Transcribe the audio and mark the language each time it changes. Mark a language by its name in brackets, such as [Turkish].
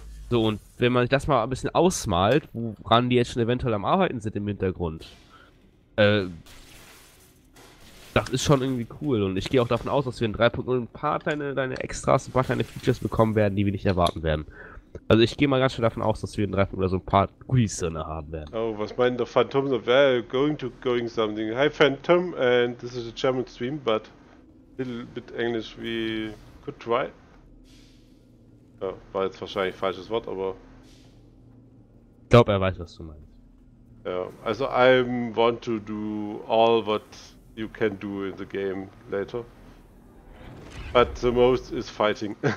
[German] So, und wenn man sich das mal ein bisschen ausmalt, woran die jetzt schon eventuell am Arbeiten sind im Hintergrund, das ist schon irgendwie cool. Und ich gehe auch davon aus, dass wir in 3.0 ein paar kleine Extras, ein paar kleine Features bekommen werden, die wir nicht erwarten werden. Also ich gehe mal ganz schön davon aus, dass wir in 3.0 so ein paar Goodies drin haben werden. Oh, was meint der Phantom? [English] Well, going something. Hi Phantom, and this is a German stream, but a little bit English, we could try. [German] Ja, war jetzt wahrscheinlich ein falsches Wort, aber... Ich glaube, er weiß, was du meinst. Ja, also [English] I want to do all what you can do in the game later. But the most is fighting.